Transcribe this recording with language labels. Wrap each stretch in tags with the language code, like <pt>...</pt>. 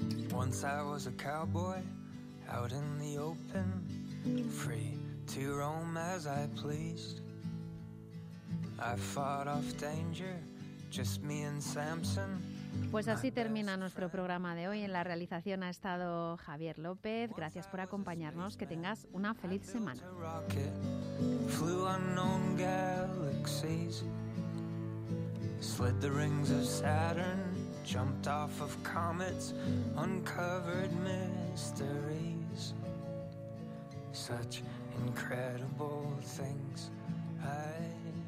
<en>Once I was a cowboy out in the open, free to roam as I pleased. I fought off danger, just me and Samson.</en> <es>Pues así termina nuestro programa de hoy. En la realización ha estado Javier López. Gracias por acompañarnos. Que tengas una feliz semana.</es> <en>Flew unknown galaxies, slid the rings of Saturn, jumped off of comets, uncovered mysteries. Such incredible things I've</en>